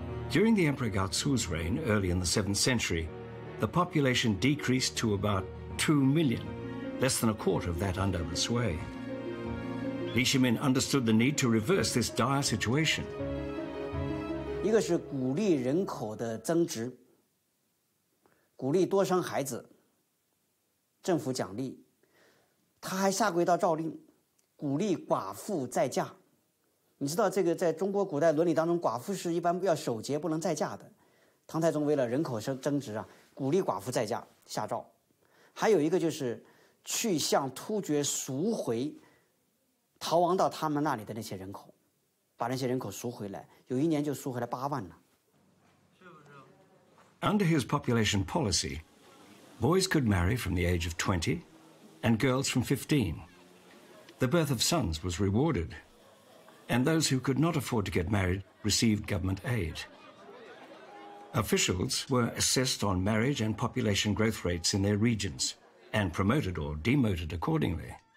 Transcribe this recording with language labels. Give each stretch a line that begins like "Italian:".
English: During the Emperor Gaozu's reign, early in the 7th century, the population decreased to about 2 million, less than a quarter of that under the Sui. Li Ximin understood the need to reverse this dire situation. One is to encourage the growth of the population, encourage the more children, the government rewards. He also issued an order to
Chinese: 鼓励寡妇再嫁，你知道这个在中国古代伦理当中，寡妇是一般要守节，不能再嫁的。唐太宗为了人口争执啊，鼓励寡妇再嫁下诏，还有一个就是去向突厥赎回，逃亡到他们那里的那些人口，把那些人口赎回来，有一年就赎回了八万呢。
English: Under his population policy, boys could marry from the age of 20, and girls from 15. The birth of sons was rewarded, and those who could not afford to get married received government aid. Officials were assessed on marriage and population growth rates in their regions, and promoted or demoted accordingly.